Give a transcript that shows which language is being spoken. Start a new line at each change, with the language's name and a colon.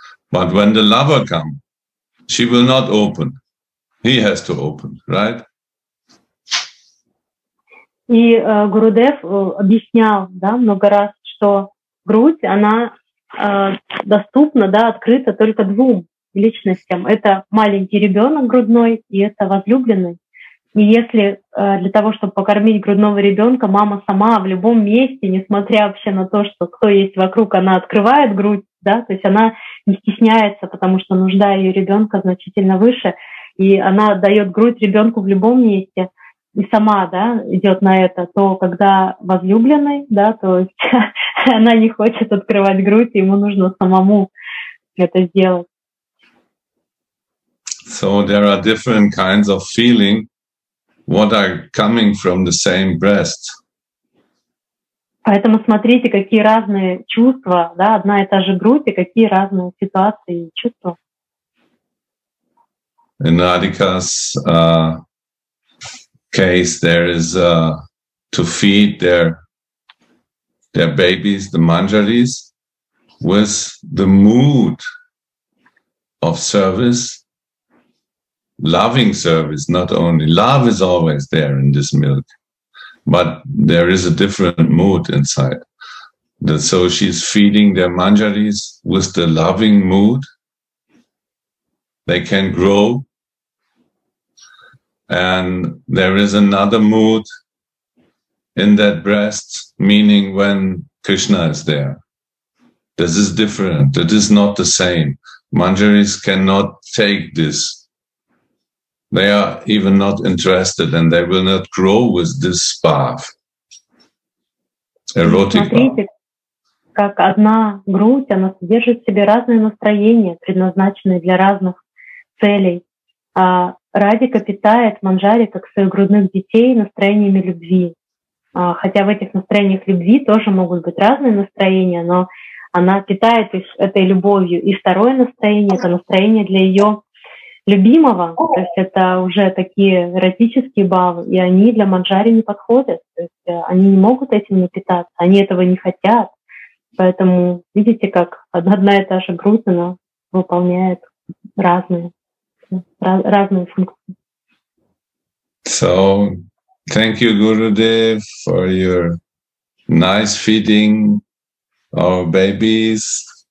English: But when the lover come, she will not open. He has to open, right?
Russian: И Гурудев объяснял, да, много раз, что грудь, она доступна, да, открыта только двум личностям. Это маленький ребенок грудной и это возлюбленный. И если для того, чтобы покормить грудного ребенка, мама сама в любом месте, несмотря вообще на то, что кто есть вокруг, она открывает грудь, да, то есть она не стесняется, потому что нужда ее ребенка значительно выше, и она дает грудь ребенку в любом месте и сама, да, идет на это, то когда возлюбленный, да, то есть она не хочет открывать грудь, ему нужно самому это сделать.
English: So there are different kinds of feeling. What are coming from the same breast?
Russian: Поэтому смотрите, какие разные чувства, да, одна и та же грудь, и какие разные ситуации и чувства.
English: In Radhika's case, there is to feed their babies, the manjaris, with the mood of service. Loving service, not only love is always there in this milk, but there is a different mood inside. So she's feeding their manjaris with the loving mood. They can grow. And there is another mood in that breast, meaning when Krishna is there. This is different. It is not the same. Manjaris cannot take this they are even not interested and they will not grow with this path. Erotic
Russian: Смотрите, path. Как одна грудь, она содержит в себе разные настроения, предназначенные для разных целей. А Радика питает Манджари как своих грудных детей настроениями любви. Хотя в этих настроениях любви тоже могут быть разные настроения, но она питает их этой любовью. И второе настроение — это настроение для ее любимого. То есть это уже такие эротические баллы, и они для Манджари не подходят. То есть они не могут этим не питаться, они этого не хотят. Поэтому видите, как одна и та же грудь, она выполняет разные функции.
English: So, thank you, Gurudev, for your nice feeding our babies.